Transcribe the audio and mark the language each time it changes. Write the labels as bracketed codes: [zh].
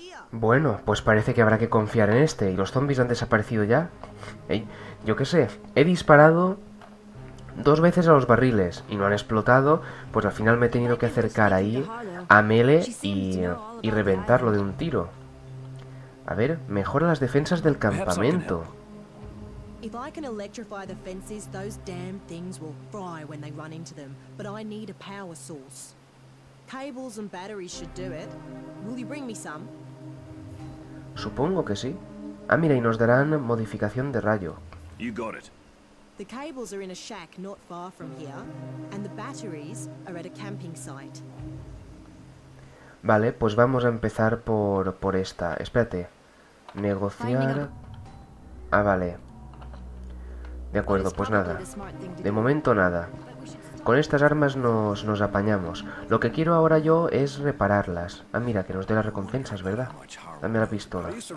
[es] Bueno, pues parece que habrá que confiar en este. ¿Y los zombies han desaparecido ya? ¿Eh? Yo qué sé. He disparado dos veces a los barriles y no han explotado. Pues al final me he tenido que acercar ahí a Mele y reventarlo de un tiro. A ver, mejora las defensas del campamento. [en] If I can electrify the fences, those damn things will fry when they run into them. But I need a power source. Cables and batteries should do it. Will you bring me some? [es] Supongo que sí. Ah, mira, y nos darán modificación de rayo. [en] You got it. The cables are in a shack not far from here, and the batteries are at a camping site. [es] Vale, pues vamos a empezar por esta. Espérate. Negociar. Ah, vale. De acuerdo, pues nada. De momento nada. Con estas armas nos apañamos. Lo que quiero ahora yo es repararlas. Ah, mira, que nos dé las recompensas, ¿verdad? Dame la pistola.